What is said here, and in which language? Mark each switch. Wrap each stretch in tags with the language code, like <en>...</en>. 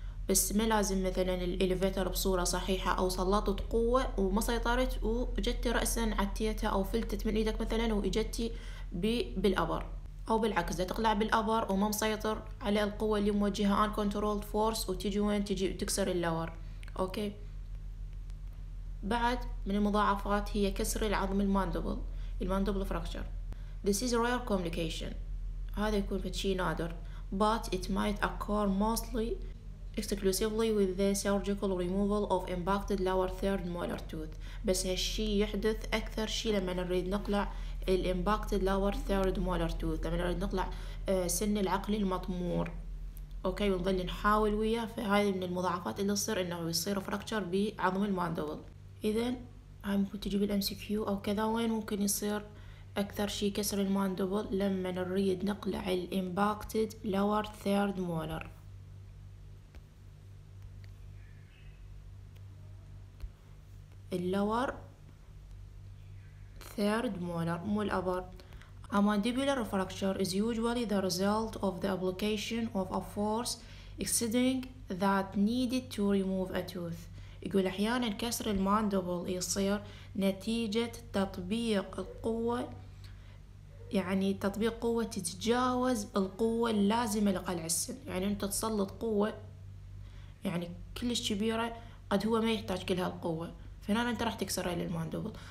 <ar>بس ما لازم مثلا الاليفيتر بصوره صحيحه او سلطت قوه وما سيطرت واجتي راسا عتيتها او فلتت من ايدك مثلا واجتي بالابر او بالعكس تقلع بالابر وما مسيطر على القوه اللي موجهها ان كنترول فورس وتيجي وين تجي تكسر اللور. اوكي بعد من المضاعفات هي كسر العظم الماندبل الماندبل فراكشر.</ar> <en>This is a rare complication.</en> <ar>هذا يكون شيء نادر.</ar> <en>But it might occur mostly exclusively with the surgical removal of impacted lower third molar tooth.</en> <ar>بس هالشي يحدث أكثر شيء لما نريد نقلع ال</ar> <en>impacted lower third molar tooth.</en> <ar>لما نريد نقلع سن العقل المطمور. أوكي ونظل نحاول وياه. فهذه من المضاعفات اللي تصير إنه يصير فراكشر بعظم الماندبل. إذن هاي ممكن تجي بالـ MCQ أو كذا. وين ممكن يصير أكثر شيء كسر الماندبل؟ لما نريد نقلع الـ</ar> <en>impacted lower third molar.</en> <ar>اللور third molar مو الأبر.</ar> <en>A mandibular fracture is usually the result of the application of a force exceeding that needed to remove a tooth.</en> <ar>يقول أحيانا كسر الماندبل يصير نتيجة تطبيق القوة يعني تطبيق قوة تتجاوز القوة اللازمة لقلع السن. يعني أنت تسلط قوة يعني كلش كبيرة قد هو ما يحتاج كل هالقوة فهنا أنت راح تكسر الماندبل.</ar>